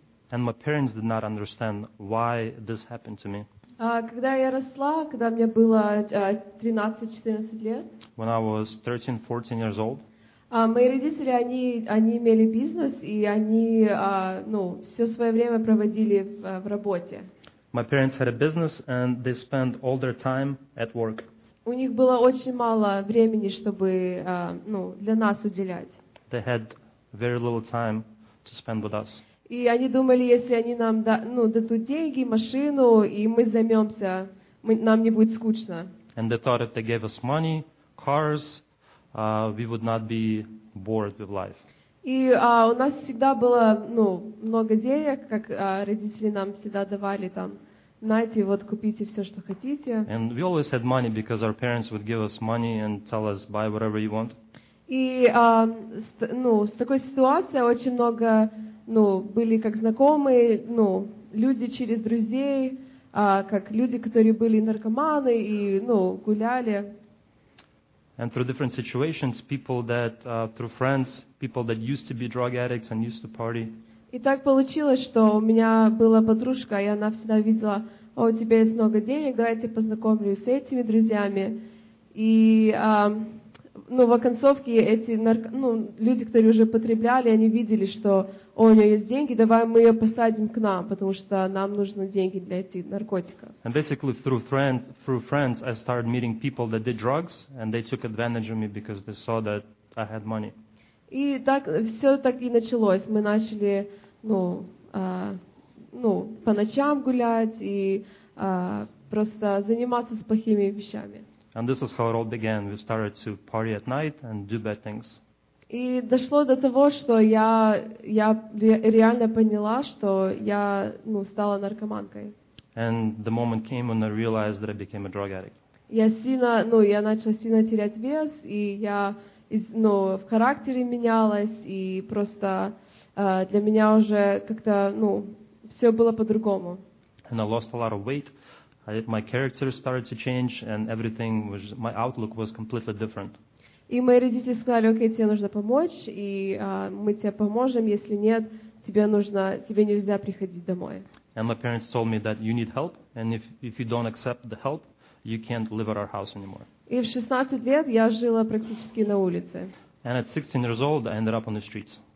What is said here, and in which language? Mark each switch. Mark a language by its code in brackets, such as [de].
[en] And my parents did not understand why this happened to me. [ru] Когда я росла, когда мне было 13-14 лет. [en] When I was 13-14 years old. [ru] Мои родители, они имели бизнес, и они, все свое время проводили в работе. [en] My parents had a business, and they spent all their time at work. [ru] У них было очень мало времени, чтобы, для нас уделять. [en] They had very little time to spend with us. [ru] И они думали, если они нам дадут деньги, машину, и мы займемся, нам не будет скучно. [en] And they thought if they gave us money, cars, we would not be bored with life. [ru] И у нас всегда было много денег, как родители нам всегда давали там, знаете, купите все, что хотите. [en] And we always had money because our parents would give us money and tell us buy whatever you want. [ru] И с такой ситуации очень много были как знакомые, люди через друзей, как люди, которые были наркоманы и, гуляли. [en] And through different situations, people that, through friends, people that used to be drug addicts and used to party. [ru] И так получилось, что у меня была подружка, и она всегда видела, у тебя есть много денег, давайте познакомлю с этими друзьями. И, в оконцовке эти люди, которые уже потребляли, они видели, что у нее есть деньги, давай мы ее посадим к нам, потому что нам нужны деньги для этих наркотиков. [en] And basically through friends I started meeting people that did drugs and they took advantage of me because they saw that I had money. [ru] И так все так и началось. Мы начали по ночам гулять и просто заниматься с плохими вещами. [en] And this is how it all began. We started to party at night and do bad things. [ru] И дошло до того, что я реально поняла, что я стала наркоманкой. [en] And the moment came when I realized that I became a drug addict. [ru] Я начала сильно терять вес, и я в характере менялась, и просто для меня уже как-то все было по-другому. [en] And I lost a lot of weight. My character started to change, and everything was my outlook was completely different. [ru] И мои родители сказали, окей, тебе нужно помочь, и мы тебе поможем, если нет, тебе нельзя приходить домой. [en] And my parents told me that you need help, and if you don't accept the help, you can't live at our house anymore. [ru] И в 16 лет я жила практически на улице. [en] And at 16 years old, I ended up on the streets.